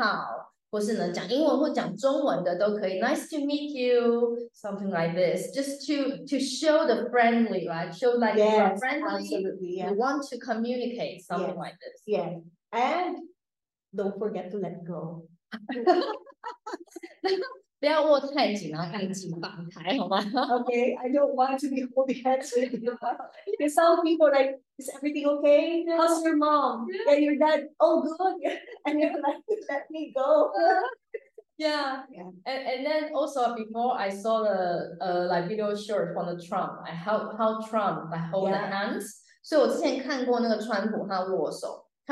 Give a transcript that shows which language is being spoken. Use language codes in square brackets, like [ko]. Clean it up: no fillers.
[zh] 然后这个时候呢，我们一定会说一句话，说，哎，很高兴认识你，或是你好，或是呢，讲英文或讲中文的都可以， [en] Nice to meet you, something like this, just to show the friendly, right? Show like yes, you are friendly, absolutely, yeah. You want to communicate something yes, like this. Yeah, and don't forget to let go. [zh] 不要握太紧，然后太紧，放开，好吗？ [en] Okay, I don't want to be holding hands with you. Because some people like, is everything okay? How's your mom? Yeah. And your dad? Oh, good. And you're like, let me go. Yeah. And then also before I saw the like video short from the Trump, I held Trump by holding yeah. hands. [zh] 所以我之前看过那个川普他握手。